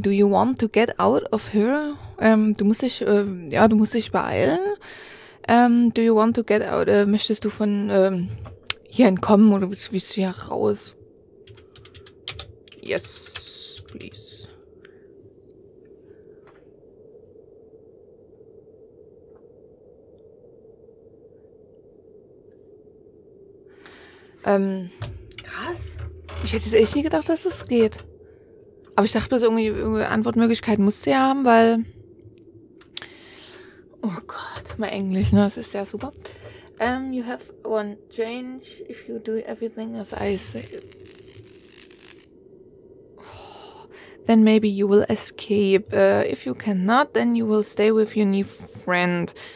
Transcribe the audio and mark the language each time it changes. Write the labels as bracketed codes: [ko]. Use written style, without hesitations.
[en] Do you want to get out of here? [de] Du musst dich beeilen. [en] Do you want to get out? [de] Möchtest du von hier entkommen oder willst du hier raus? [en] Yes, please. [de] Krass. Ich hätte jetzt echt nie gedacht, dass es geht. Aber ich dachte, dass irgendwie Antwortmöglichkeiten musst du ja haben, weil... Oh Gott, mein Englisch, ne? Das ist ja super. [en] You have one change if you do everything as I say. Oh, then maybe you will escape. If you cannot, then you will stay with your new friend.